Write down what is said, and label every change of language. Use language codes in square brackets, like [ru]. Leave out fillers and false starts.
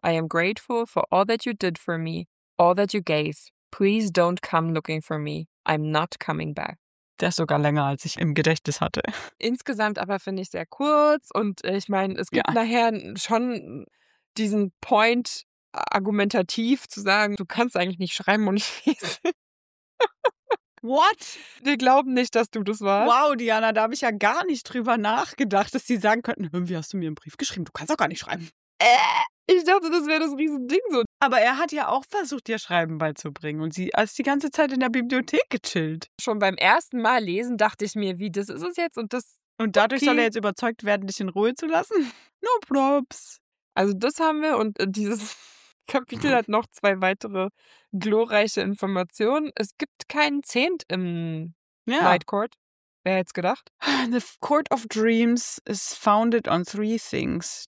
[en] I am grateful for all that you did for me. All that you gave. Please don't come looking for me. I'm not coming back. [de] Der ist sogar länger, als ich im Gedächtnis hatte. Insgesamt aber finde ich sehr kurz. Und ich meine, es gibt nachher schon diesen Point, argumentativ zu sagen, du kannst eigentlich nicht schreiben und nicht lesen. [en] What? [de] Wir glauben nicht, dass du das warst. Wow, Diana, da habe ich ja gar nicht drüber nachgedacht, dass sie sagen könnten, irgendwie hast du mir einen Brief geschrieben, du kannst auch gar nicht schreiben. Ich dachte, das wäre das Riesending so. Aber er hat ja auch versucht, ihr Schreiben beizubringen und sie ist die ganze Zeit in der Bibliothek gechillt. Schon beim ersten Mal lesen dachte ich mir, wie, das ist es jetzt und das... Und dadurch soll er jetzt überzeugt werden, dich in Ruhe zu lassen? [en] No props. [de] Also das haben wir und dieses Kapitel hat noch zwei weitere glorreiche Informationen. Es gibt keinen Zehnt im Night Court. Wer hätte es gedacht? [en] The Court of Dreams is founded on three things.